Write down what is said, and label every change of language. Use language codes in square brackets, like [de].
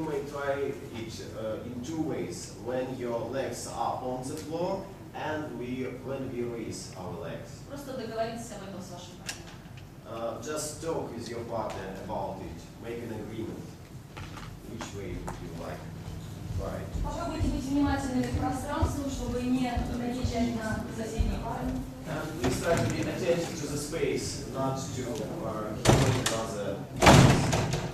[en] Try it in two ways. When your legs are on the floor, and we when we raise our legs. [ru] Просто договоритесь об этом с вашим партнером. [en] Just talk with your partner about it. Make an agreement. Which way would you like? Right. [ru] Попробуйте быть внимательными к пространству, чтобы не наезжать на соседние пары. [en] And we try to be attentive to the space, not to our other.